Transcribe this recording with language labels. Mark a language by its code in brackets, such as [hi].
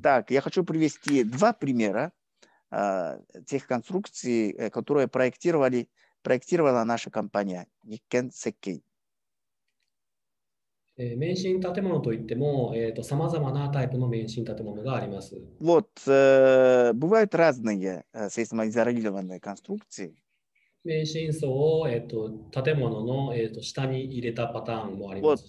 [ru] Так, я хочу привести два примера тех конструкций, которые проектировала наша компания 日建設計。 [ja] 免震建物といっても、さまざまなタイプの免震建物があります。 [ru] Вот, бывают разные сейсмоизолированные конструкции。 [ja] 免震層を、建物の、下に入れたパターンもあり